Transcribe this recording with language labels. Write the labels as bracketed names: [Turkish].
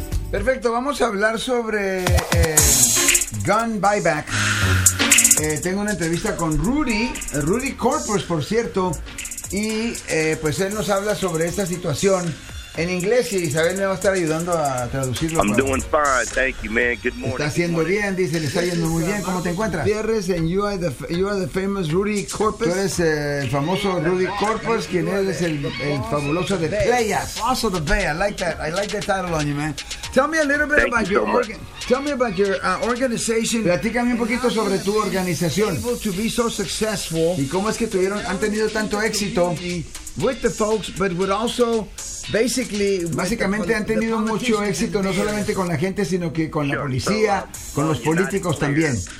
[Spanish] Perfecto, vamos a hablar sobre Gun Buyback. Tengo una entrevista con Rudy Corpus, por cierto, y pues él nos habla sobre esta situación en inglés y Isabel me va a estar ayudando a traducirlo. [English] I'm doing fine, thank you, man. Good morning. [Spanish] Está haciendo bien, dice, le está yendo muy bien. ¿Cómo te encuentras? [English] Gutiérrez, and you are the famous Rudy Corpus. [Spanish] Tú eres el famoso Rudy Corpus, quien eres el fabuloso de Playas. [English] Boss of the Bay, I like that title on you, man. Tell me a little bit about your tell me about your organization. [Spanish] Platícame un poquito sobre tu organización. [English] Able to be so successful. [Spanish] ¿Y cómo es que tuvieron han tenido tanto éxito? [English] With the folks, but would also basically, [Spanish] básicamente han tenido mucho éxito no solamente con la gente, sino que con la policía, con los políticos también.